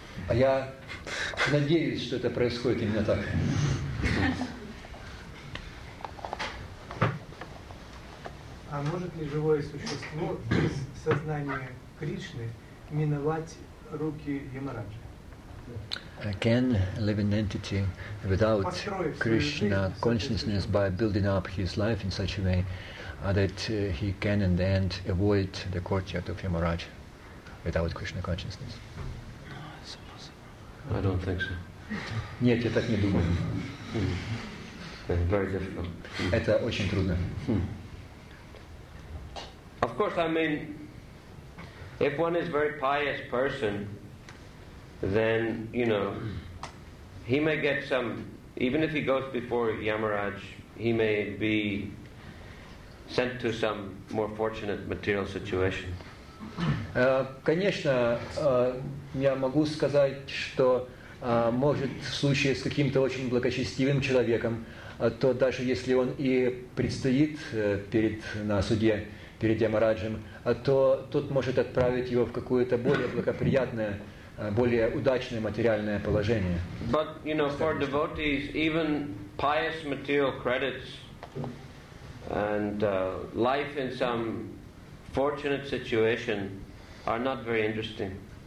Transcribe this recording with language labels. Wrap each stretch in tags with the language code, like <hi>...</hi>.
<ru>Я надеюсь, что это происходит именно так. А может ли живое существо без сознания Кришны миновать руки Ямараджи?</ru> <en>Can a living entity without Krishna consciousness by building up his life in such a way that he can in the end avoid the courtyard of Yamaraj without Krishna consciousness? I don't think so.</en> <ru>Нет, я так не думаю.</ru> <en>It's very difficult.</en> <ru>Это очень трудно.</ru> <en>Of course, I mean, if one is a very pious person, then, you know, he may get some, even if he goes before Yamaraj, he may be sent to some more fortunate material situation.</en> <ru>Конечно, я могу сказать, что может в случае с каким-то очень благочестивым человеком, то даже если он и предстоит перед на суде, перед Ямараджем, то тот может отправить его в какое-то более благоприятное, более удачное материальное положение.</ru> <en>But, you know, for devotees, even pious material credits and life in some fortunate situation are not very interesting.</en>